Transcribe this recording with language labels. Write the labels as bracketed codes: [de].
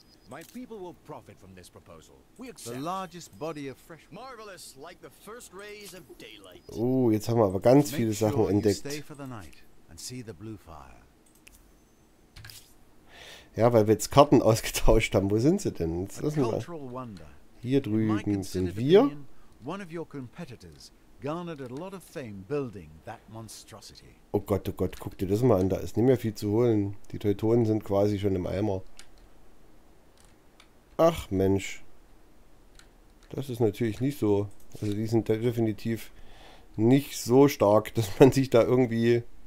[en] My people will profit from this proposal. We accept. The largest body of fresh marvelous like the first rays of daylight. [de] Oh, jetzt haben wir aber ganz viele Sachen entdeckt. [en] Stay for the night and see the blue fire. [de] Ja, weil wir jetzt Karten ausgetauscht haben. Wo sind sie denn? Jetzt lassen wir mal. Hier drüben sind wir. [en] One of your competitors garnered a lot of fame building that monstrosity. [de] Oh Gott, guck dir das mal an, da ist nicht mehr viel zu holen. Die Teutonen sind quasi schon im Eimer. Ach Mensch. Das ist natürlich nicht so. Also die sind definitiv nicht so stark, dass man sich da irgendwie...